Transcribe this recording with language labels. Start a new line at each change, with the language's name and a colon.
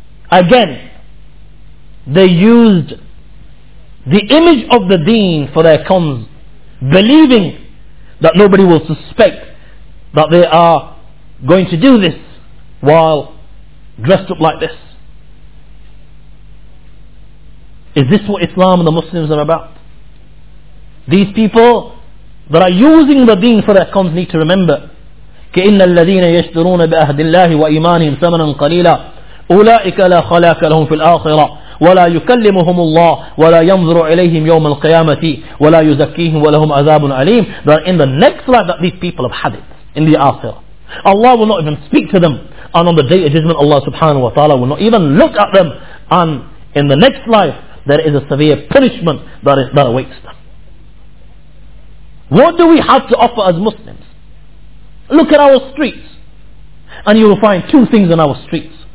English: Again, they used the image of the deen for their cons, believing that nobody will suspect that they are going to do this while dressed up like this. Is this what Islam and the Muslims are about? These people that are using the deen for their cons need to remember,
Arabic: كَإِنَّ الَّذِينَ يَشْتُرُونَ بِأَهْدِ اللَّهِ وَإِيمَانِهِمْ ثَمَنًا قَلِيلًا أُولَٰئِكَ لَا خَلَاقَ لَهُمْ فِي الْآخِرَةِ ولا يكلمهم الله ولا ينظر إليهم يوم القيامة ولا يزكيهم ولهم عذاب أليم.
English: That in the next life that these people have had it in the Akhirah, Allah will not even speak to them, and on the day of judgment Allah subhanahu wa ta'ala will not even look at them, and in the next life there is a severe punishment that awaits them. What do we have to offer as Muslims? Look at our streets, and you will find two things in our streets.